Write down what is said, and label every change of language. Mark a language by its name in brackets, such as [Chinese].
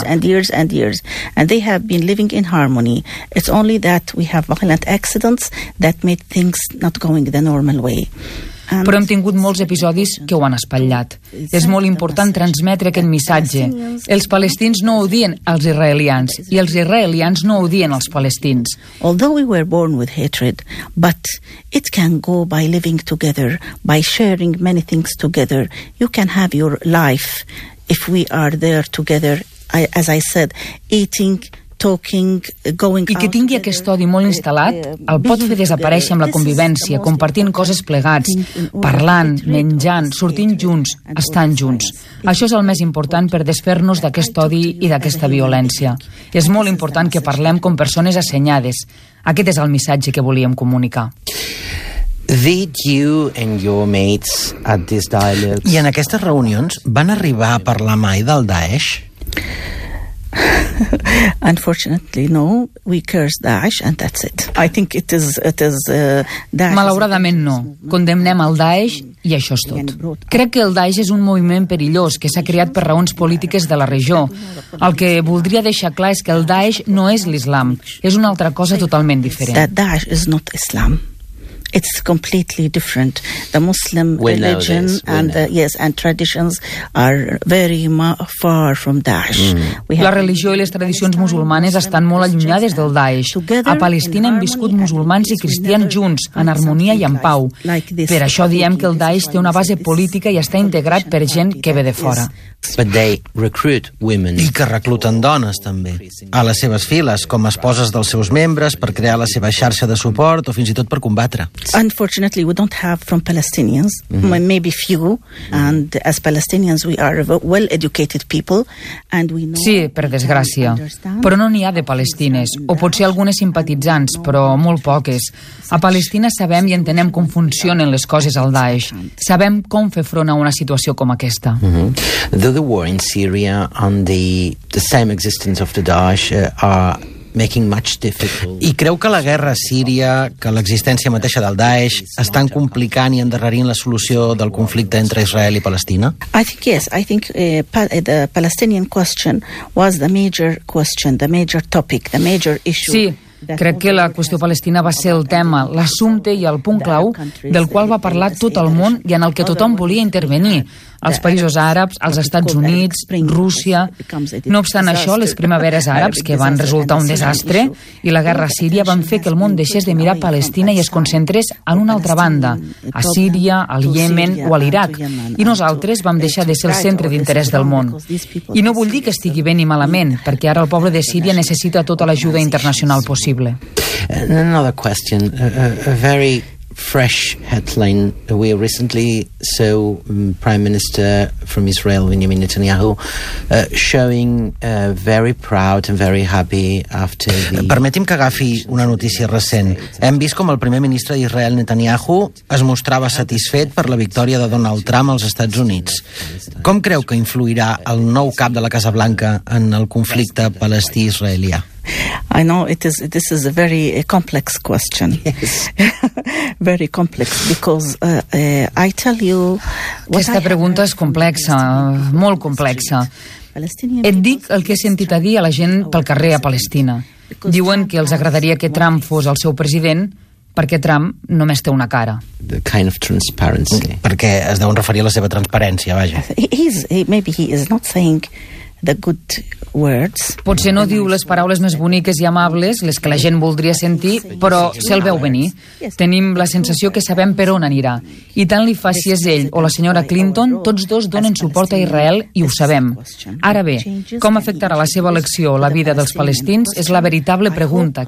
[English] And they have been living in harmony. It's only that we have violent accidents that made things not going the normal way. [Catalan] Però hem tingut molts episodis que ho han espatllat. És molt important transmetre aquest missatge. Els palestins no odien els israelians i els israelians no odien els palestins. [English] Although we were born with hatred, but it can go by living together, by sharing many things together. You can have your life if we are there together. As I said, eating, [Catalan] I que tingui aquest odi molt instal·lat el pot fer desaparèixer amb la convivència, compartint coses plegats, parlant, menjant, sortint junts, estant junts. Això és el més important per desfer-nos d'aquest odi i d'aquesta violència. És molt important que parlem com persones assenyades. Aquest és el missatge que volíem comunicar. [English] Did you and your mates at this dialogue... [Catalan] I en aquestes reunions van arribar a parlar mai del Daesh? [English] Unfortunately, no. We curse Daesh and that's it. I think it is [Catalan] Daesh. Malauradament no. Condemnem el Daesh i això és tot. Crec que el Daesh és un moviment perillós que s'ha creat per raons polítiques de la regió. El que voldria deixar clar és que el Daesh no és l'Islam. És una altra cosa totalment diferent. [English] That Daesh is not Islam. It's completely different. The Muslim religion and and traditions are very far from Daesh. [Catalan] La religió i les tradicions musulmanes estan molt allunyades del Daesh. A Palestina hem viscut musulmans i cristians junts, en harmonia i en pau. Per això diem que el Daesh té una base política i està integrat per gent que ve de fora. [English] But they recruit women. [Catalan] I que recluten dones, també. A les seves files, com esposes dels seus membres, per crear la seva xarxa de suport o fins i tot per combatre. [English] Unfortunately, we don't have from Palestinians, maybe few, and as Palestinians we are well-educated people, and we know... [Catalan] Sí, per desgràcia. Però no n'hi ha de palestines, o potser algunes simpatitzants, però molt poques. A Palestina sabem i entenem com funcionen les coses al Daesh. Sabem com fer front a una situació com aquesta. [English] The war in Syria and the same existence of the Daesh are... making much difficult. [Catalan] I creu que la guerra a Síria, que l'existència mateixa del Daesh, estan complicant i endarrerint la solució del conflicte entre Israel i Palestina? [English] I think yes, I think the Palestinian question was the major question, the major topic, the major issue. [Catalan] Sí. Crec que la qüestió palestina va ser el tema, l'assumpte i el punt clau del qual va parlar tot el món i en el que tothom volia intervenir. Els països àrabs, els Estats Units, Rússia... No obstant això, les primaveres àrabs, que van resultar un desastre, i la guerra a Síria van fer que el món deixés de mirar Palestina i es concentrés en una altra banda, a Síria, al Iemen o a l'Iraq, i nosaltres vam deixar de ser el centre d'interès del món. I no vull dir que estigui bé ni malament, perquè ara el poble de Síria necessita tota l'ajuda internacional possible. [English] Another question, a very fresh headline. We recently saw Prime Minister from Israel, Benjamin Netanyahu, showing very proud and very happy after the... [Catalan] Permeti'm que agafi una notícia recent. Hem vist com el primer ministre d'Israel, Netanyahu, es mostrava satisfet per la victòria de Donald Trump als Estats Units. Com creu que influirà el nou cap de la Casa Blanca en el conflicte palestí-israelià? [English] I know this is a very complex question. Yes. Very complex because I tell you [Catalan] aquesta pregunta és complexa, molt complexa. Et dic el que he sentit a dir a la gent pel carrer a Palestina. Diuen que els agradaria que Trump fos el seu president perquè Trump només té una cara. [English] The kind of transparency. [Catalan] Perquè es deuen referir a la seva transparència, vaja. [English] He is not saying the good words. [Catalan] Potser no diu les paraules més boniques i amables, les que la gent voldria sentir, però se'l veu venir. Tenim la sensació que sabem per on anirà. I tant li fa si és ell o la senyora Clinton, tots dos donen suport a Israel i ho sabem. Ara bé, com afectarà la seva elecció la vida dels palestins és la veritable pregunta.